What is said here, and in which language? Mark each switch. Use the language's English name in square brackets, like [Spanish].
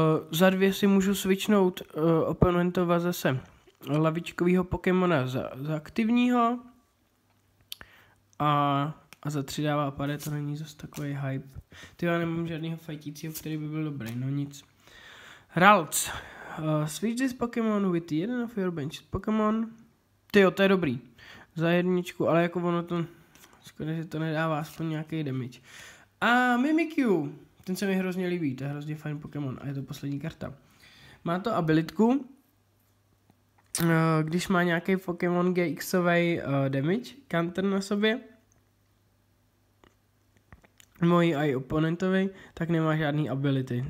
[Czech] Za dvě si můžu switchnout oponentova zase lavičkovýho Pokémona za aktivního a za tři dává pade, to není zase takový hype. Ty, já nemám žádného fajtícího, který by byl dobrý, no nic. [English] Ralts, switch this Pokémon with one of your bench Pokémon. [Czech] Tyjo, to je dobrý, za jedničku, ale jako ono to, skoro, že to nedává aspoň nějaký damage. A Mimikyu. Ten se mi hrozně líbí, to je hrozně fajn Pokémon a je to poslední karta. Má to abilitku, když má nějaký Pokémon GX-ovej damage counter na sobě, mojí i oponentovi, tak nemá žádný ability.